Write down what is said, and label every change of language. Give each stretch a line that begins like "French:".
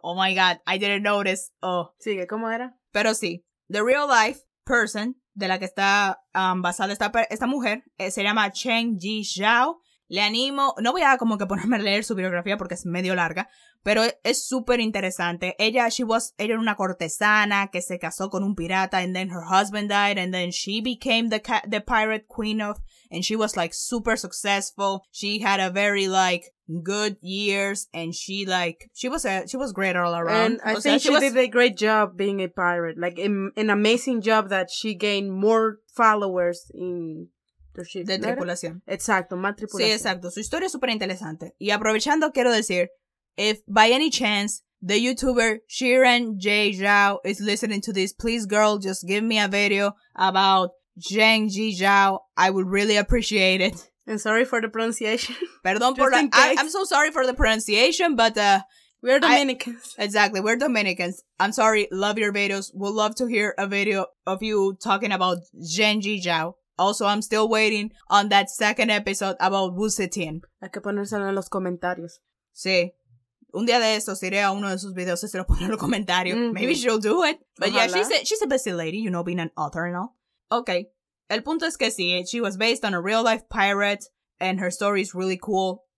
English: Oh, my God, I didn't notice. Oh.
Spanish: Sigue, ¿cómo era? Pero sí,
English: the real-life person
Spanish: de la que está basada esta mujer se llama Chen Ji Zhao. Le animo, no voy a como que ponerme a leer su biografía porque es medio larga, pero es súper interesante. Ella era una cortesana que se casó con un pirata,
English: and then her husband died, and then she became the pirate queen of, and she was like super successful. She had a very like good years, and she was great all around. And I think she did a great job being a pirate, like an amazing job that she gained more followers in.
Spanish: De tripulación. Exacto, más tripulación. Sí, exacto. Su historia es súper interesante. Y aprovechando, quiero decir,
English: if by any chance the YouTuber Shiren J. Zhao is listening to this, please, girl, just give me a video about Zheng Ji Zhao. I would really appreciate it. And sorry for the pronunciation.
Spanish: Perdón por la...
English: I'm so sorry for the pronunciation, but... We're Dominicans. We're Dominicans. I'm sorry. Love your videos. We'll love to hear a video of you talking about Zheng Ji Zhao. Also, I'm still waiting on that second episode about Wu Zetian.
Spanish: Hay que ponérselo en los comentarios. Sí. Un día de estos iré a uno de sus videos y se lo pondré en los comentarios.
English: Mm-hmm. Maybe she'll do it. But ojalá. Yeah, she's a busy lady, you know, being an author and all. Okay.
Spanish: El punto es que sí,
English: she was based on a real-life pirate and her story is really cool.